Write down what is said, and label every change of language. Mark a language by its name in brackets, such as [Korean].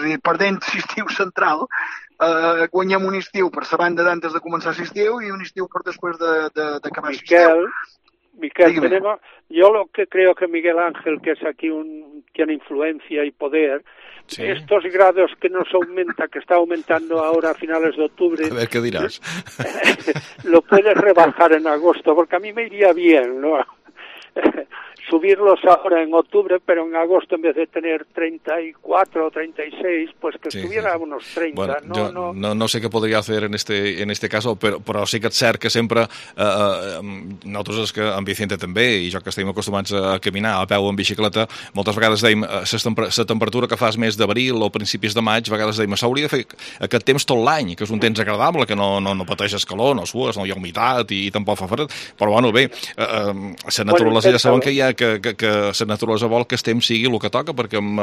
[Catalan] És a dir, perdent l'estiu central, guanyem un estiu per la banda d'antes de començar l'estiu i un estiu per després d'acabar l'estiu. [Spanish] Miquel, yo lo que creo que Miguel Ángel, que es aquí tiene influencia y poder, sí. Estos grados que nos aumenta, que está aumentando ahora a finales de octubre... A ver qué dirás. Lo puedes rebajar en agosto, porque a mí me iría bien, ¿no? subirlos ahora en octubre, pero en agosto en vez de tener 34 o 36, pues que subiera a unos 30. [Catalan] Bueno, no sé què podria fer en este cas, però sí que és cert que sempre nosaltres és que amb Vicente també, i jo que estem acostumats a caminar a peu en bicicleta, moltes vegades dèiem la temperatura que fas més d'abril o principis de maig, a vegades dèiem s'hauria de fer aquest temps tot l'any, que és un temps agradable, que no pateixes calor, no sues, no hi ha humitat i tampoc fa fred, però bueno, bé, la naturalesa ja saben que hi ha, que la naturalesa vol que el temps sigui el que toca, perquè